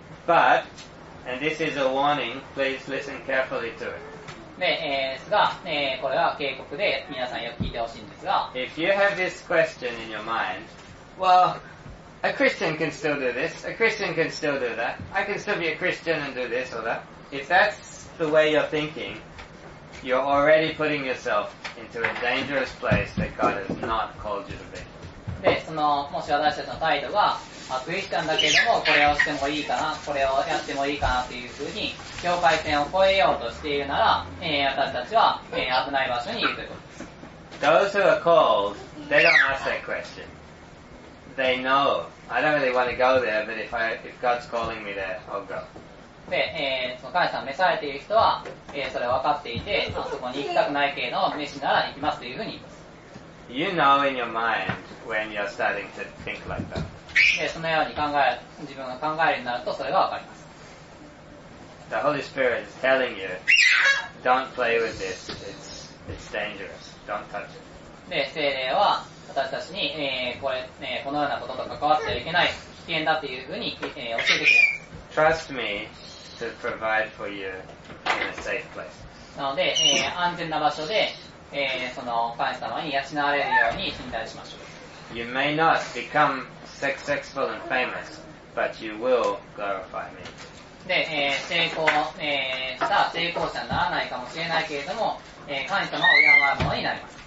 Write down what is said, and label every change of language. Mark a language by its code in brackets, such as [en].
[en] But, and this is a warning, please listen carefully to it. [ja] で、ですが、これは警告で皆さんよく聞いてほしいんですが、 [en] If you have this question in your mind, well, a Christian can still do this, a Christian can still do that, I can still be a Christian and do this or that. If that's the way you're thinking, you're already putting yourself into a dangerous place that God has not called you to be. [ja] で、その、もし私たちの態度は、まあ、クリスチャンだけでもこれをしてもいいかな、これをやってもいいかなというふうに、境界線を越えようとしているなら、私たちは、危ない場所にいるということです。 [en] Those who are called, they don't ask that question. They know, I don't really want to go there, but if God's calling me there, I'll go. [ja] で、その神様召されている人は、それを分かっていて、あそこに行きたくないけれども、召しなら行きますというふうに言います。 [en] You know in your mind when you're starting to think like that. [ja] そのように考え、自分が考えるようになるとそれがわかります。 [en] The Holy Spirit is telling you, don't play with this. It's dangerous. Don't touch it. [ja] で、聖霊は私たちに、このようなことと関わってはいけない、危険だというふうに、教えてくれます。 [en] Trust me to provide for you in a safe place. [ja] なので、安全な場所で、その神様に養われるように信頼しましょう。 [en] You may not becomeSuccessful and famous, but you will glorify me. [ja] で、成功、した成功者にならないかもしれないけれども、神様を敬うものになります。